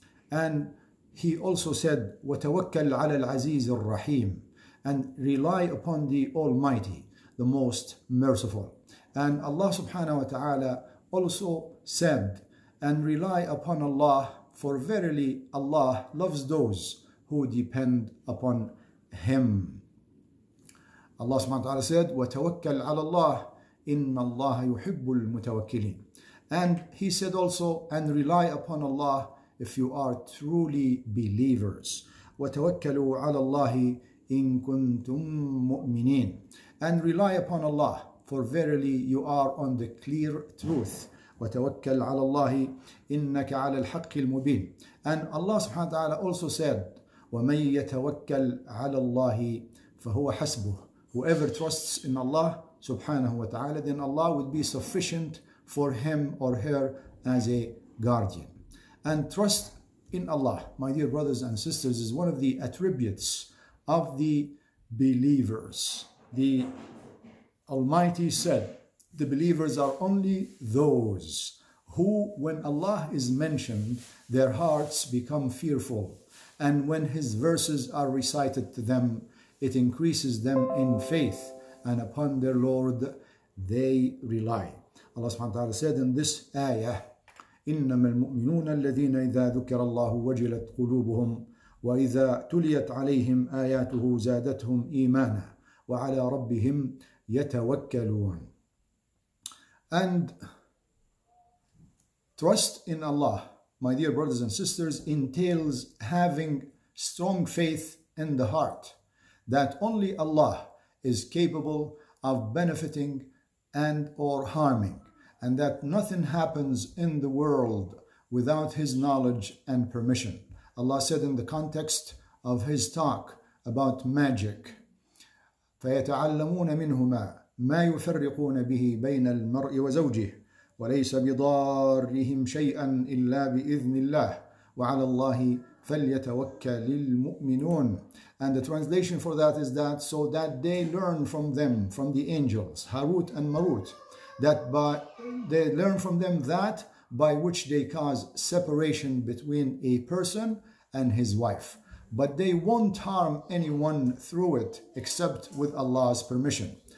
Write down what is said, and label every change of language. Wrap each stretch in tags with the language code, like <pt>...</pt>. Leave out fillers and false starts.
<en>And he also said,</en> <ar>وَتَوَكَّلْ عَلَى الْعَزِيزِ الرَّحِيمِ,</ar> <en>and rely upon the Almighty, the Most Merciful. And Allah subhanahu wa ta'ala also said, and rely upon Allah, for verily Allah loves those who depend upon him. Allah subhanahu wa ta'ala said,</en> <ar>وَتَوَكَّلْ عَلَى اللَّهِ إِنَّ اللَّهَ يُحِبُّ الْمُتَوَكِّلِينَ.</ar> <en>And he said also, and rely upon Allah, if you are truly believers.</en> <ar>وَتَوَكَّلُوا عَلَى اللَّهِ إِن كُنْتُم مُؤْمِنِينَ.</ar> <en>And rely upon Allah, for verily you are on the clear truth.</en> <ar>وَتَوَكَّلْ عَلَى اللَّهِ إِنَّكَ عَلَى الْحَقِّ الْمُبِينَ.</ar> <en>And Allah subhanahu wa ta'ala also said,</en> <ar>وَمَنْ يَتَوَكَّلْ عَلَى اللَّهِ فَهُوَ حَسْبُهُ.</ar> <en>Whoever trusts in Allah subhanahu wa ta'ala, then Allah would be sufficient for him or her as a guardian. And trust in Allah, my dear brothers and sisters, is one of the attributes of the believers. The Almighty said, the believers are only those who, when Allah is mentioned, their hearts become fearful. And when his verses are recited to them, it increases them in faith. And upon their Lord, they rely. Allah subhanahu wa ta'ala said in this ayah,</en> <ar>إنما المؤمنون الذين إذا ذكر الله وجلت قلوبهم وإذا تليت عليهم آياته زادتهم إيمانا وعلى ربهم يتوكلون.</ar> <en>And trust in Allah, my dear brothers and sisters, entails having strong faith in the heart that only Allah is capable of benefiting and or harming, and that nothing happens in the world without his knowledge and permission. Allah said in the context of his talk about magic.</en> <ar>فيتعلمون منهما ما يفرقون به بين المرء وزوجه وليس بضارهم شيئا إلا بإذن الله وعلى الله فليتوكل المؤمنون.</ar> <en>And the translation for that is that so that they learn from them, from the angels, Harut and Marut, that by they learn from them that by which they cause separation between a person and his wife. But they won't harm anyone through it except with Allah's permission.</en>